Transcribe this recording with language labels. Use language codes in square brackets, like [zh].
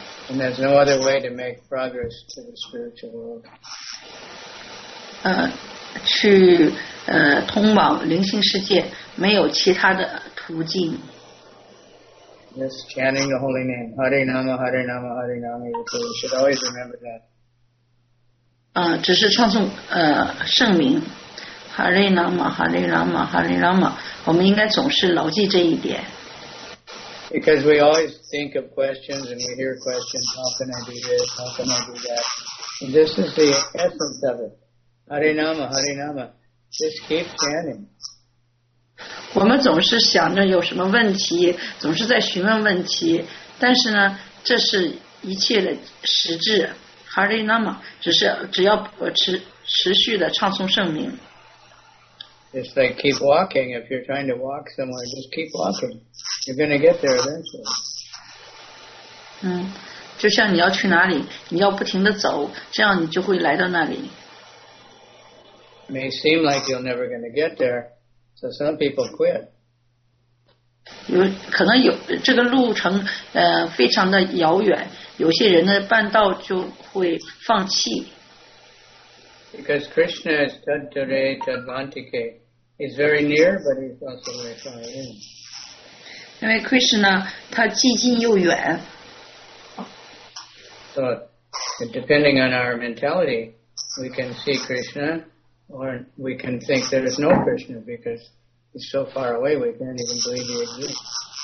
[en] And there's no other way to make progress to the spiritual world. [zh] 去通往灵性世界没有其他的途径。 [en] Just chanting the holy name, Hare Nama, Hare Nama, Hare Nama. You should always remember that. [zh] 只是唱诵圣名 ，Hare Nama, Hare Nama, Hare Nama. 我们应该总是牢记这一点。 [en] Because we always think of questions and we hear questions. How can I do this? How can I do that? And this is the essence of it. Hare Nama, Hare Nama. Just keep chanting. [zh] 我们总是想着有什么问题，总是在询问问题，但是呢，这是一切的实质。 Hare Nama, 只要持续的唱诵圣名。 [en] Just like keep walking. If you're trying to walk somewhere, just keep walking. You're going to get there eventually. [zh] 就像你要去哪里，你要不停的走，这样你就会来到那里。 [en] May seem like you're never going to get there, so some people quit. [zh] 可能有这个路程，非常的遥远，有些人呢半道就会放弃。 [en] Because Krishna is [sa] tadtare tadvantike. [en] He's very near, but he's also very far in. Because Krishna, he's [zh] 既近又远. [en] So, depending on our mentality, we can see Krishna, or we can think there is no Krishna, because he's so far away, we can't even believe he exists.